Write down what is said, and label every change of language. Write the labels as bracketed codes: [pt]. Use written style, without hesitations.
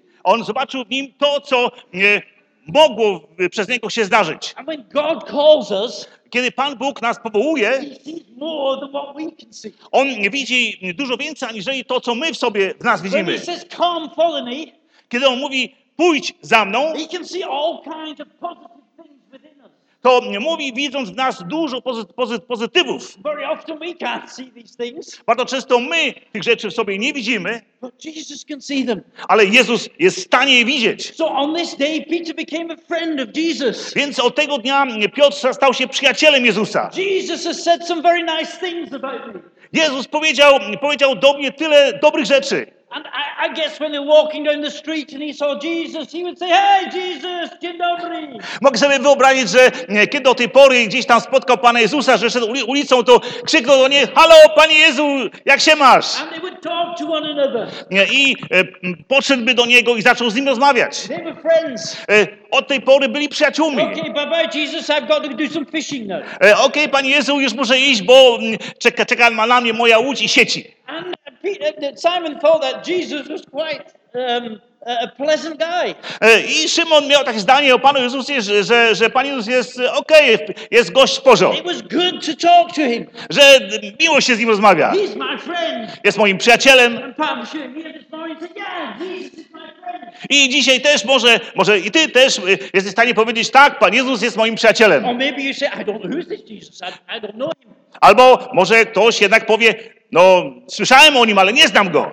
[pl] On zobaczył w nim to, co mogło przez niego się zdarzyć. [en] And when God calls us, [pl] kiedy Pan Bóg nas powołuje, [en] he sees more than what we can see. [pl] On widzi dużo więcej, aniżeli to, co my w sobie w nas widzimy. [en] When he says, "Come, follow me," [pl] kiedy on mówi, pójdź za mną, [en] he can see all kinds of positive things within us. [pl] To mówi, widząc w nas dużo pozytywów. [en] Very often we can't see these things. [pl] Bardzo często my tych rzeczy w sobie nie widzimy. [en] But Jesus can see them. [pl] Ale Jezus jest w stanie je widzieć. [en] So on this day Peter became a friend of Jesus. [pl] Więc od tego dnia Piotr stał się przyjacielem Jezusa. [en] Jesus has said some very nice things about me. [pl] Jezus powiedział do mnie tyle dobrych rzeczy. [en] And I guess when they're walking down the street and he saw Jesus, he would say, "Hey, Jesus, [pl] dzień dobry." Mogę sobie wyobrazić, że kiedy do tej pory gdzieś tam spotkał Pana Jezusa, że szedł ulicą, to krzyknął do niej, "Halo, Panie Jezu, jak się masz?" [en] And they would talk to one another. [pl] I poszedłby do niego i zaczął z nim rozmawiać. [en] They were friends. [pl] Od tej pory byli przyjaciółmi. [en] Okay, bye-bye, Jesus, I've got to do some fishing now. [pl] Okay, Panie Jezu, już muszę iść, bo czeka na mnie moja łódź i sieci. [en] And Peter, Simon thought that Jesus was quite a pleasant guy. [pl] I Szymon miał takie zdanie o Panu Jezusie, że Pan Jezus jest okej, jest gość z pożą. [en] It was good to talk to him. [pl] Że miło się z nim rozmawia. [en] He's my friend. [pl] Jest moim przyjacielem. [en] And Pan się here this morning said, "Yeah, Jesus is my friend." [pl] I dzisiaj też może i ty też jesteś w stanie powiedzieć, tak, Pan Jezus jest moim przyjacielem. [en] Or maybe you say, "I don't know who is this Jesus, I don't know him." [pl] Albo może ktoś jednak powie, no, słyszałem o nim, ale nie znam go.